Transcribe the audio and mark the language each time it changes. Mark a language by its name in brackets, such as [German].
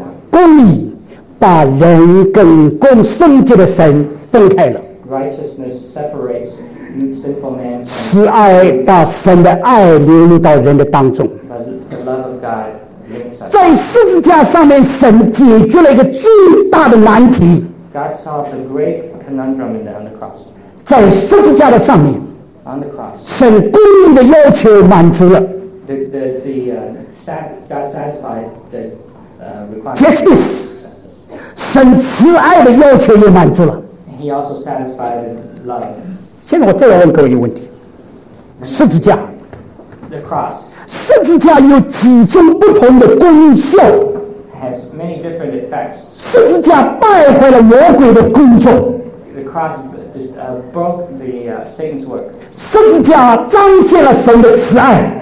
[Chinese] 公义把人跟公圣洁的神分开了。 [English] Righteousness separates sinful man. [Chinese] 慈爱把神的爱流入到人的当中。 [English] The love of God. [Chinese] 在十字架上面，神解决了一个最大的难题。 [English] God solved a great conundrum on the cross. [Chinese] 在十字架的上面 [English] ，on the cross， [Chinese] 神公义的要求满足了。 [English] God satisfied the requirement. [Chinese] Justice， 神慈爱的要求也满足了。 [English] He also satisfied love. [Chinese] 现在我再要问各位一个问题：十字架 [English] ，the cross， [Chinese] 十字架有几种不同的功效 [English] ？Has many different effects. [Chinese] 十字架败坏了魔鬼的工作 [English] ，the cross broke the Satan's work. [Chinese] 十字架彰显了神的慈爱